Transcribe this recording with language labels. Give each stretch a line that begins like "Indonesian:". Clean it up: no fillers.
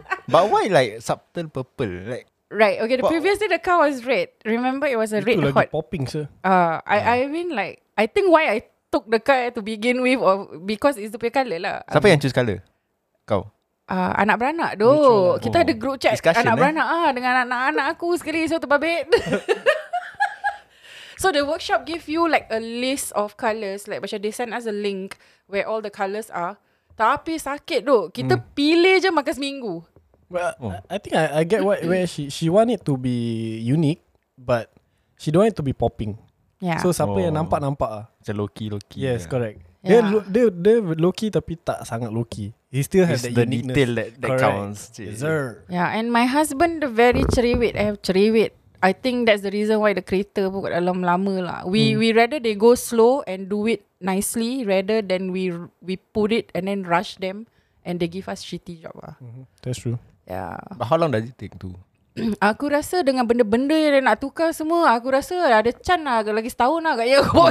English: But why like subtle purple? Like right, okay. The previous day the car was red. Remember it was a red hot. Popping sir. I mean like I think why I took the car to begin with or because it's the pink color lah.
Malay: Siapa yang choose color? Kau. Anak beranak doh. Kita ada group chat discussion, anak beranak dengan anak-anak aku sekali. So terbabit.
English: So the workshop give you like a list of colours. Like macam they send us a link where all the colours are.
Malay: Tapi sakit doh. Kita pilih je makan seminggu.
English: I think I get what, where she want it to be unique, but she don't want it to be popping. Yeah.
Malay: So siapa yang nampak-nampak ah. Macam low-key.
English: Yes, yeah. Correct. Yeah.
Malay: Dia low-key tapi tak sangat low-key.
English: He still has the detail that counts. Correct. Yeah, and my husband the very cerewet. I have cerewet. I think that's the reason why the
Malay: kereta pun kat dalam lama lah.
English: We rather they go slow and do it nicely rather than we put it and then rush them and they give us shitty job lah. That's true. Yeah. But how long does it take to?
Malay: Aku rasa dengan benda-benda yang dia nak tukar semua, aku rasa ada chan lah. Lagi setahun lah agaknya.